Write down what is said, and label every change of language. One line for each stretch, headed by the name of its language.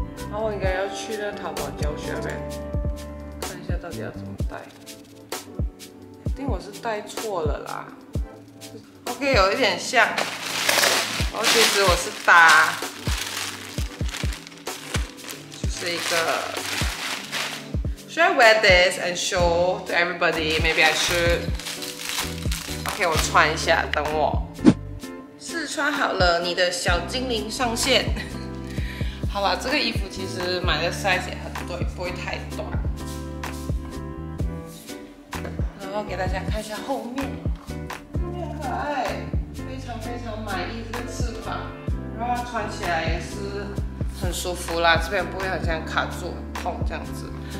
Chinese: 然后我应该要去那淘宝教学呗，看一下到底要怎么戴。一定我是戴错了啦。OK， 有一点像。然后其实我是搭，就是一个。
English: Should I wear this and show to everybody? Maybe I should.
Chinese: OK， 我穿一下，等我试穿好了，你的小精灵上线。好了，这个衣服其实买的 size 也很对，不会太短。然后给大家看一下后面，后面可爱，非常非常满意这个翅膀，然后穿起来也是很舒服啦，这边不会好像卡住很痛这样子。